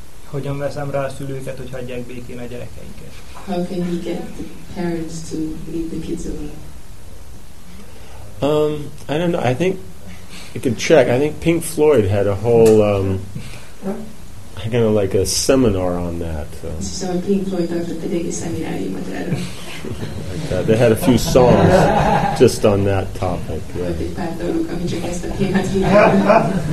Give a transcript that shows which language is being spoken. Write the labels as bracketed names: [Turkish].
[Hungarian] Hogyan veszem rá a szülőket, hogy hagyják békén a gyerekeinket? [English] How can you get the parents to leave the kids alone? I don't know. I think you could check. I think Pink Floyd had a whole kind of like a seminar on that. [Hungarian] So Pink Floyd tartott egy egész szemináriumot erről. [English] Like that. They had a few songs just on that topic. [Hungarian] Volt egy pár dolog, ami csak ezt a témát kívánok.